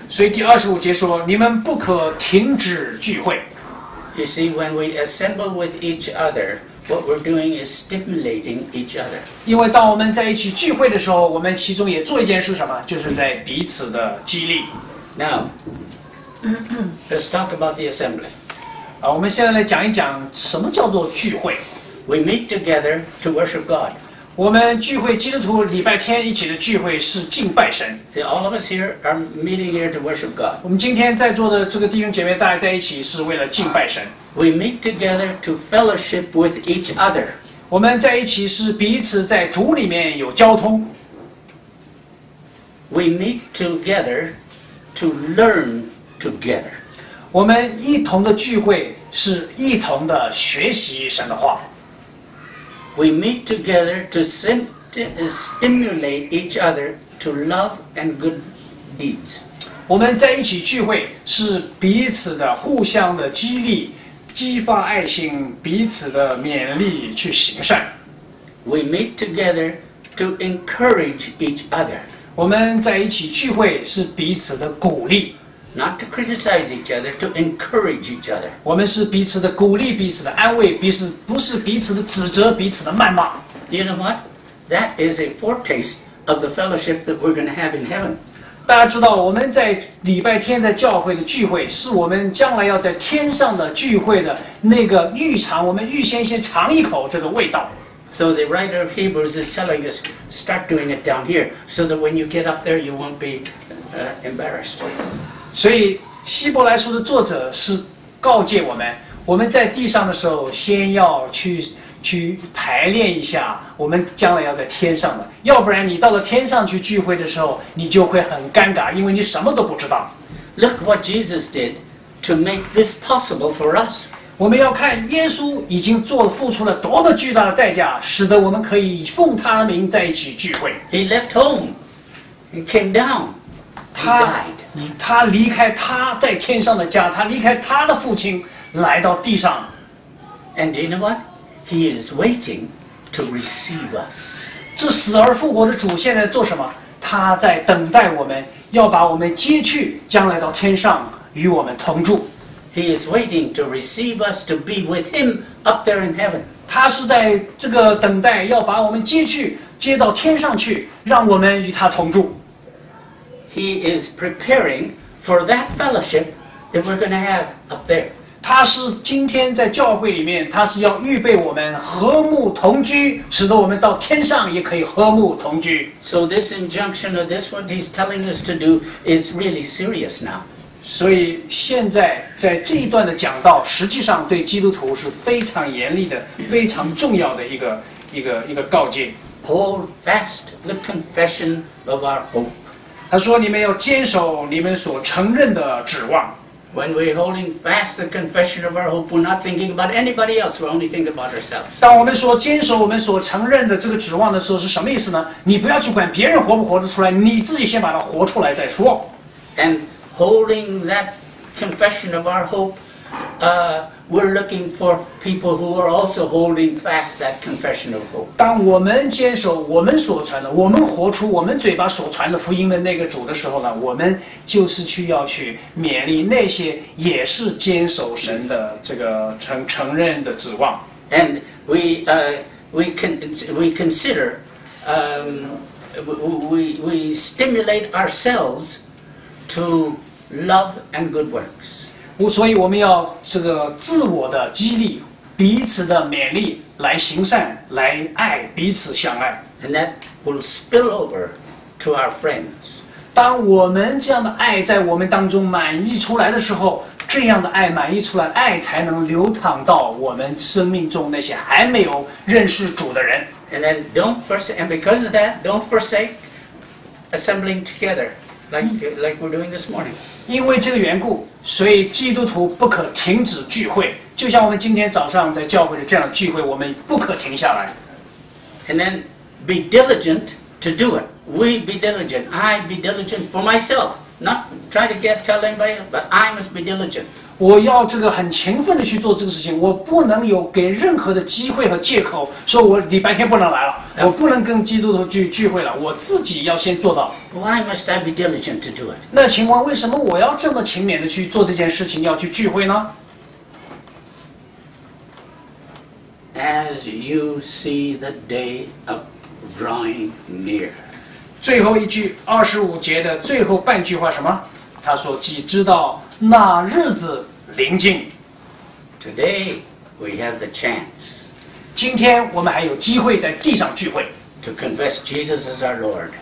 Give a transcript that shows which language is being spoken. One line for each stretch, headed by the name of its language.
Chinese: 所以第二十五节说，你们不可停止聚会。
English: You see, when we assemble with each other, what we're doing is stimulating each other.
Chinese: 因为当我们在一起聚会的时候，我们其中也做一件事什么？就是在彼此的激励。
English: Now, let's talk about the assembly.
Chinese: 我们现在来讲一讲什么叫做聚会。
English: We meet together to worship God.
Chinese: 我们聚会，基督徒礼拜天一起的聚会是敬拜神。
English: So all of us here are meeting here to worship God.
Chinese: 我们今天在座的这个弟兄姐妹，大家在一起是为了敬拜神。
English: We meet together to fellowship with each other.
Chinese: 我们在一起是彼此在主里面有交通。
English: We meet together to learn together.
Chinese: 我们一同的聚会是一同的学习神的话。
English: We meet together to stimulate each other to love and good deeds.
Chinese: 我们在一起聚会是彼此的互相的激励，激发爱心，彼此的勉励去行善。
English: We meet together to encourage each other.
Chinese: 我们在一起聚会是彼此的鼓励。
English: Not to criticize each other, to encourage each other.
Chinese: 我们是彼此的鼓励，彼此的安慰，彼此不是彼此的指责，彼此的谩骂。
English: You know what? That is a foretaste of the fellowship that we're going to have in heaven.
Chinese: 大家知道，我们在礼拜天在教会的聚会，是我们将来要在天上的聚会的那个预尝，我们预先先尝一口这个味道。
English: So the writer of Hebrews is telling us, start doing it down here, so that when you get up there, you won't be embarrassed.
Chinese: 所以希伯来书的作者是告诫我们，我们在地上的时候，先要去排练一下，我们将来要在天上的，要不然你到了天上去聚会的时候，你就会很尴尬，因为你什么都不知道。
English: Look what Jesus did to make this possible for us.
Chinese: 我们要看耶稣已经付出了多么巨大的代价，使得我们可以奉他的名在一起聚会。
English: He left home, he came down, he died.
Chinese: 他离开他在天上的家，他离开他的父亲，来到地上。
English: And you know what? He is waiting to receive us.
Chinese: 这死而复活的主现在做什么？他在等待我们，要把我们接去，将来到天上与我们同住。
English: He is waiting to receive us to be with him up there in heaven.
Chinese: 他是在这个等待，要把我们接去，接到天上去，让我们与他同住。
English: He is preparing for that fellowship that we're going to have up there.
Chinese: 他是今天在教会里面，他是要预备我们和睦同居，使得我们到天上也可以和睦同居。
English: So this injunction or this what he's telling us to do is really serious now.
Chinese: 所以现在在这一段的讲道，实际上对基督徒是非常严厉的、非常重要的一个告诫。
English: Hold fast the confession of our hope.
Chinese: 他说：“你们要坚守你们所承认的指望。”
English: When we're holding fast the confession of our hope, we're not thinking about anybody else. We're only thinking about ourselves.
Chinese: 当我们说坚守我们所承认的这个指望的时候，是什么意思呢？你不要去管别人活不活得出来，你自己先把它活出来再说。
English: And holding that confession of our hope, we're looking for people who are also holding fast that confession of hope.
Chinese: 当我们坚守我们所传的，我们活出我们嘴巴所传的福音的那个主的时候呢，我们就是去要去勉励那些也是坚守神的这个承认的指望。
English: And we stimulate ourselves to love and good works.
Chinese: 所以我们要这个自我的激励，彼此的勉励，来行善，来爱，彼此相爱。
English: And that will spill over to our friends.
Chinese: 当我们这样的爱在我们当中满溢出来的时候，这样的爱满溢出来，爱才能流淌到我们生命中那些还没有认识主的人。
English: And then don't forsake assembling together. Like we're doing this morning.
Chinese: 因为这个缘故，所以基督徒不可停止聚会。就像我们今天早上在教会的这样聚会，我们不可停下来。
English: And then be diligent to do it. We be diligent. I be diligent for myself. Not try to get tell anybody, but I must be diligent.
Chinese: 我要这个很勤奋的去做这个事情。我不能有给任何的机会和借口，说我礼拜天不能来了。我不能跟基督徒聚会了，我自己要先做到。
English: Why must I be diligent to do it?
Chinese: 那请问为什么我要这么勤勉的去做这件事情，要去聚会呢？
English: As you see the day of drawing near.
Chinese: 最后一句25节的最后半句话什么？他说：“既知道那日子临近。”
English: Today we have the chance.
Chinese: 今天我们还有机会在地上聚会。
English: To confess Jesus as our Lord.